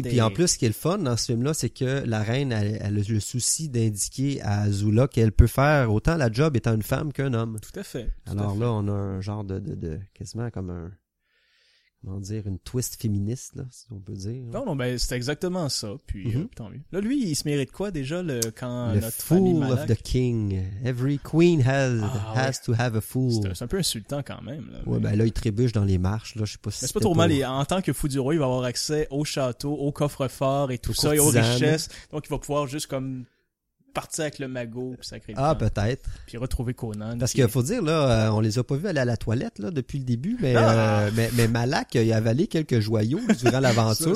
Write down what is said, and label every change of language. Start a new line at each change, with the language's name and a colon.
French: Puis en plus, ce qui est le fun dans ce film-là, c'est que la reine elle a le souci d'indiquer à Azula qu'elle peut faire autant la job étant une femme qu'un homme. Tout à fait. Alors là, on a un genre de quasiment comme un... Comment dire? Une twist féministe, là, si on peut dire. Non, non, ben c'est exactement ça. Puis tant mieux. Là, lui, il se mérite quoi déjà quand notre
English: fool
French: famille Malak...
English: of the king. Every queen has to have a fool.
French: C'est un peu insultant quand même. Là, ouais, mais... ben là, il trébuche dans les marches. Là, je sais pas si c'est pas trop mal. En tant que fou du roi, il va avoir accès au château, au coffre-fort et tout ça, et aux richesses. Donc, il va pouvoir juste comme... partir avec le magot puis sacré. Ah, peut-être. Puis retrouver Conan. Parce qu'il faut dire, là, on les a pas vus aller à la toilette là, depuis le début, mais Malak il a avalé quelques joyaux durant l'aventure.